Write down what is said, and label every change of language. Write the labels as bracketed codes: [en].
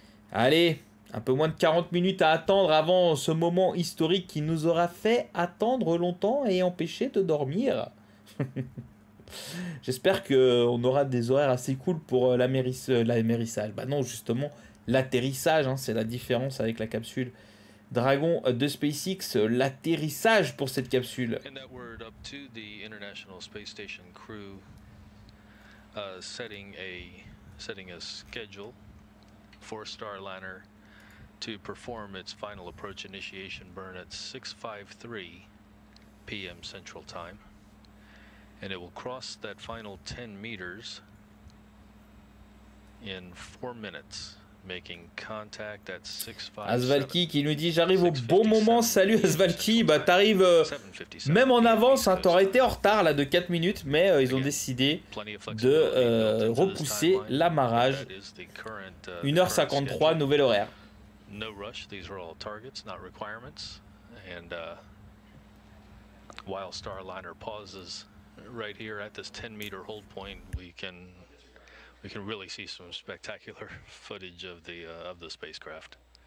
[fr] Allez, un peu moins de 40 minutes à attendre avant ce moment historique qui nous aura fait attendre longtemps et empêché de dormir. J'espère qu'on aura des horaires assez cool pour l'amérissage. Bah non, justement, l'atterrissage, hein, c'est la différence avec la capsule Dragon de SpaceX, l'atterrissage pour cette capsule. [en] And that word up to the International Space Station crew, setting a schedule for Starliner to perform its final approach initiation burn at 6:53 p.m. Central Time, and it will cross that final 10 meters in 4 minutes. Making contact at 657. [fr] Asvalki qui nous dit j'arrive au bon moment, salut Asvalki, bah t'arrives même en avance, hein, t'aurais été en retard là de 4 minutes, mais ils ont décidé de repousser l'amarrage. 1h53, nouvel horaire. [en] No rush, these are all targets, not requirements. And while Starliner pauses right here at this 10 meter hold point, we can really see some spectacular footage of the spacecraft.